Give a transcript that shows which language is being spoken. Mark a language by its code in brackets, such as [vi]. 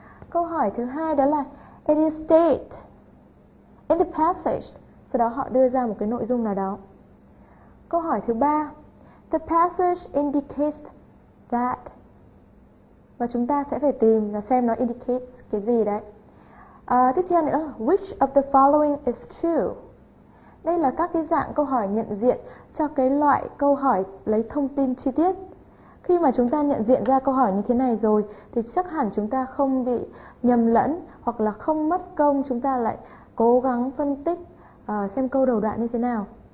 [vi] Câu hỏi thứ hai đó là [en] it is state in the passage. [vi] Sau đó họ đưa ra một cái nội dung nào đó. Câu hỏi thứ ba, [en] the passage indicates that. [vi] Và chúng ta sẽ phải tìm là xem nó indicates cái gì đấy. Tiếp theo nữa, [en] which of the following is true? [vi] Đây là các cái dạng câu hỏi nhận diện cho cái loại câu hỏi lấy thông tin chi tiết. Khi mà chúng ta nhận diện ra câu hỏi như thế này rồi, thì chắc hẳn chúng ta không bị nhầm lẫn hoặc là không mất công chúng ta lại cố gắng phân tích xem câu đầu đoạn như thế nào.